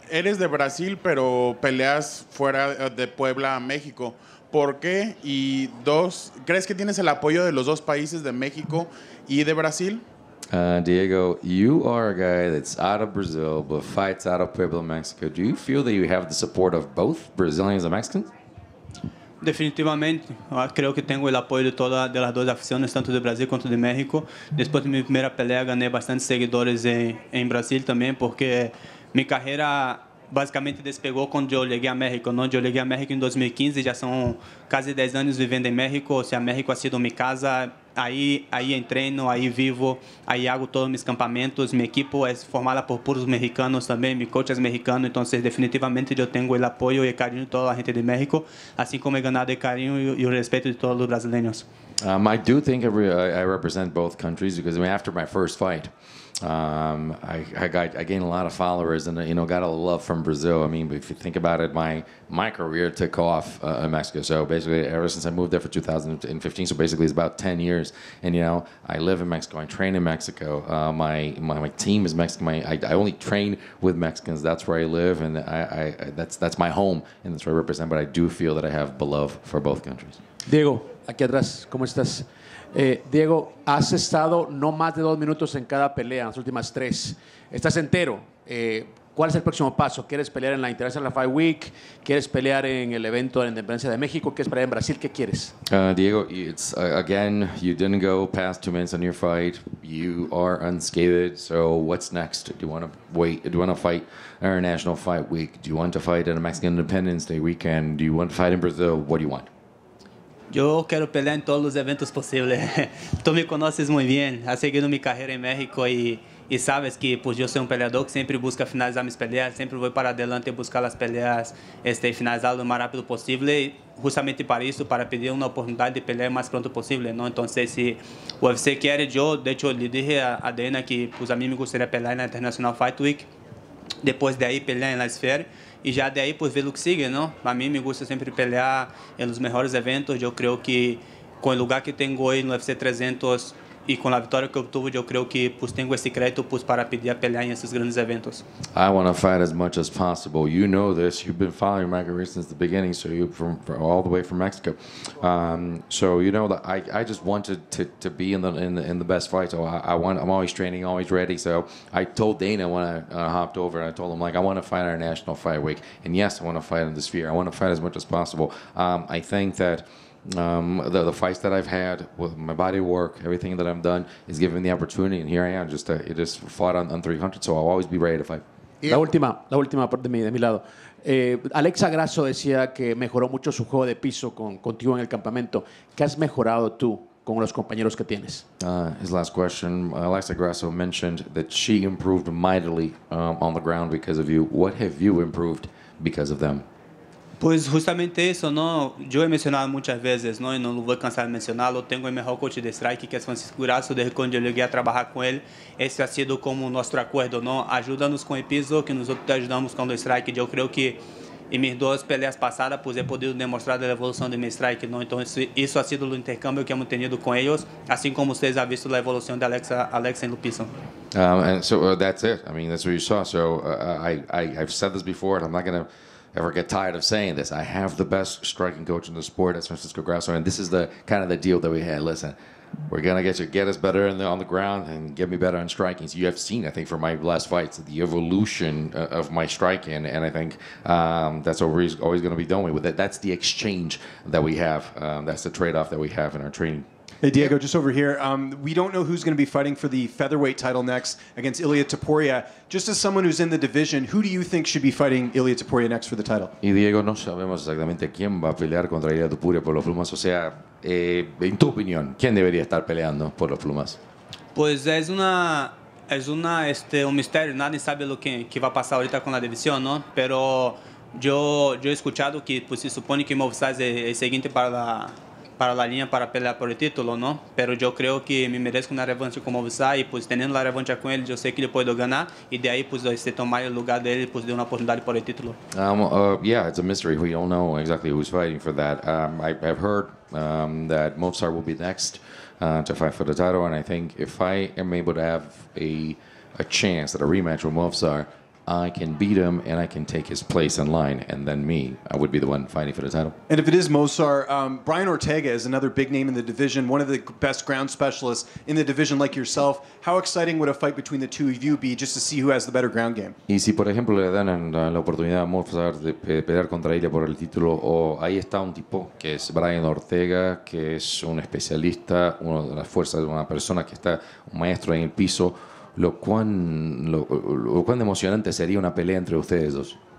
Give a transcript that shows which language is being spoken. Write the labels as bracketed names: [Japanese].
[Spanish] Eres de Brasil, pero peleas fuera de Puebla a México. ¿Por qué? Y dos, ¿crees que tienes el apoyo de los dos países, de México y de Brasil? [English] Diego, you are a guy that's out of Brazil, but fights out of Puebla, Mexico. Do you feel that you have the support of both Brazilians and Mexicans? [Spanish] Definitivamente, creo que tengo el apoyo de todas las dos aficiones, tanto de Brasil como de México. Después de mi primera pelea gané bastantes seguidores en Brasil también, porque mi carrera básicamente despegó cuando yo llegué a México. No, yo llegué a México en 2015, ya son casi 10 años viviendo en México, o sea, México ha sido mi casa, ahí entreno, ahí vivo, ahí hago todos mis campamentos, mi equipo es formada por puros mexicanos también, mi coach es mexicano, entonces definitivamente yo tengo el apoyo y el cariño de toda la gente de México, así como he ganado el cariño y el respeto de todos los brasileños. [English] I do think I represent both countries because, I mean, after my first fight, I gained a lot of followers and, you know, got a lot of love from Brazil. I mean, if you think about it, my career took off in Mexico. So basically, ever since I moved there for 2015, so basically it's about 10 years. And, you know, I live in Mexico. I train in Mexico. My team is Mexican. I only train with Mexicans. That's where I live, and that's my home, and that's where I represent. But I do feel that I have love for both countries. [Spanish] Diego, aquí atrás, ¿cómo estás? Diego, has estado no más de 2 minutos en cada pelea, en las últimas 3. ¿Estás entero? ¿Cuál es el próximo paso? ¿Quieres pelear en la International Fight Week? ¿Quieres pelear en el evento de la Independencia de México? ¿Quieres pelear en Brasil? ¿Qué quieres? [English] Diego, it's again, you didn't go past 2 minutes on your fight. You are unscathed. So what's next? Do you want to wait? Do you want to fight International Fight Week? Do you want to fight in a Mexican Independence Day weekend? Do you want to fight in Brazil? What do you want? [Spanish] Yo quiero pelear en todos los eventos posibles. Tú me conoces muy bien. Has seguido mi carrera en México y sabes que pues yo soy un peleador que siempre busca finalizar mis peleas. Siempre voy para adelante a buscar las peleas finalizadas lo más rápido posible. Justamente para eso, para pedir una oportunidad de pelear más pronto posible, ¿no? Entonces, si UFC quiere, yo, de hecho, le dije a Dana que pues a mí me gustaría pelear en la International Fight Week. Después de ahí, pelear en la esfera. [Portuguese] E já daí, pois, ver o que segue, não? A mim, me gusta sempre pelear nos melhores eventos. Eu creio que, com o lugar que tenho hoje no UFC 300 e com a vitória que obtuve, eu creio que, pois, tenho esse crédito, pois, para pedir a pelear em esses grandes eventos. [English] I want to fight as much as possible. You know this. You've been following my career since the beginning, so you're from all the way from Mexico. So, you know, that I just wanted to be in the best fight. So, I'm always training, always ready. So, I told Dana when I hopped over, I told him, like, I want to fight our National Fight Week. And, yes, I want to fight in the sphere. I want to fight as much as possible. I think that the fights that I've had with my body work, everything that I've done is giving me the opportunity, and here I am, just fought on 300, so I'll always be ready to fight. [Spanish] La última de mi lado. Alexa Grasso decía que mejoró mucho su juego de piso contigo en el campamento. ¿Qué has mejorado tú con los compañeros que tienes? [English] His last question, Alexa Grasso mentioned that she improved mightily on the ground because of you. What have you improved because of them? [Spanish] Pues justamente eso, ¿no? Yo he mencionado muchas veces, ¿no? Y no lo voy a cansar de mencionarlo. Tengo el mejor coach de strike, que es Francisco Grasso. Desde cuando yo llegué a trabajar con él, ese ha sido como nuestro acuerdo, ¿no? Ayúdanos con el piso, que nosotros te ayudamos con el strike. Yo creo que en mis dos peleas pasadas, pues he podido demostrar la evolución de mi strike, ¿no? Entonces, eso ha sido el intercambio que hemos tenido con ellos, así como ustedes han visto la evolución de Alexa en el piso. [English] That's it. I mean, that's what you saw. So, I've said this before, and I'm not going to ever get tired of saying this. I have the best striking coach in the sport, as Francisco Grasso, and this is the kind of the deal that we had. Listen, we're going to get us better on the ground and get me better on striking. So you have seen, I think, from my last fights, the evolution of my striking, and I think that's what we're always going to be doing with it. That's the exchange that we have. That's the trade-off that we have in our training. Hey, Diego, just over here. We don't know who's going to be fighting for the featherweight title next against Ilia Topuria. Just as someone who's in the division, who do you think should be fighting Ilia Topuria next for the title? [Spanish] Y Diego, no sabemos exactamente quién va a pelear contra Ilia Topuria por los plumas. O sea, en tu opinión, ¿quién debería estar peleando por los plumas? Pues es un misterio. Nadie sabe lo que va a pasar ahorita con la división, ¿no? Pero yo he escuchado que pues, se supone que Movistar es el siguiente para la línea para pelear por el título, ¿no? Pero yo creo que me merezco una revancha con Movistar y pues teniendo la revancha con él, yo sé que le puedo ganar y de ahí pues tomar el lugar de él y pues de una oportunidad por el título. [English] Yeah, it's a mystery. We don't know exactly who's fighting for that. I've heard that Movistar will be next to fight for the title, and I think if I am able to have a chance at a rematch with Movistar, I can beat him and I can take his place in line, and then I would be the one fighting for the title. And if it is Mosar, Brian Ortega is another big name in the division, one of the best ground specialists in the division like yourself. How exciting would a fight between the two of you be just to see who has the better ground game? [Spanish] Y si por ejemplo le dan la oportunidad a Mosar de pelear contra ella por el título, o ahí está un tipo que es Brian Ortega, que es un especialista, uno de las fuerzas de una persona que está un maestro en el piso. ¿Cuán emocionante sería una pelea entre ustedes dos?